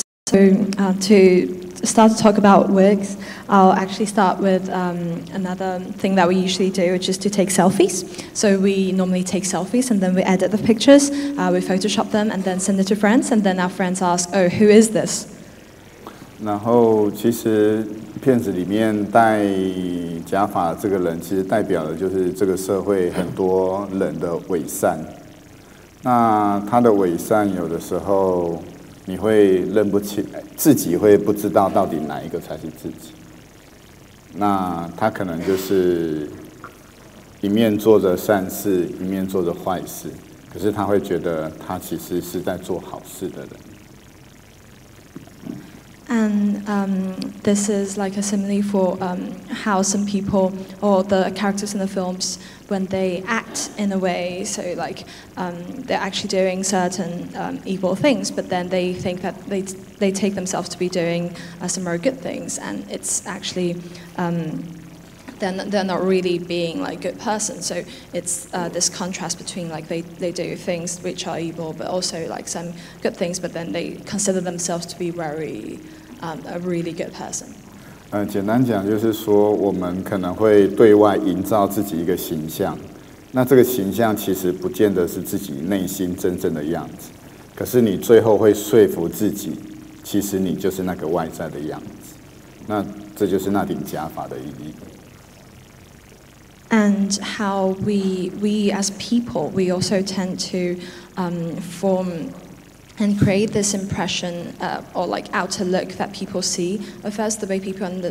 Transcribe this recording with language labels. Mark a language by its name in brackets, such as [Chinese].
[English] So to start to talk about Wix, I'll actually start with another thing that we usually do, which is to take selfies. So we normally take selfies and then we edit the pictures, we Photoshop them and then send it to friends, and then our friends ask, oh, who is this? [Chinese] 然后其实片子里面戴假发这个人其实代表的就是这个社会很多人的伪善。那他的伪善有的时候你会认不起自己，会不知道到底哪一个才是自己。那他可能就是一面做着善事，一面做着坏事，可是他会觉得他其实是在做好事的人。 [English] And this is like a simile for how some people or the characters in the films, when they act in a way, so like they're actually doing certain evil things, but then they think that they take themselves to be doing some very good things, and it's actually they're not really being like a good person. So it's this contrast between like they do things which are evil, but also like some good things, but then they consider themselves to be very a really good person. [Chinese] 简单讲就是说，我们可能会对外营造自己一个形象，那这个形象其实不见得是自己内心真正的样子，可是你最后会说服自己，其实你就是那个外在的样子，那这就是那顶假发的意义。 [English] And how we as people, we also tend to form and create this impression or like outer look that people see of us, the way people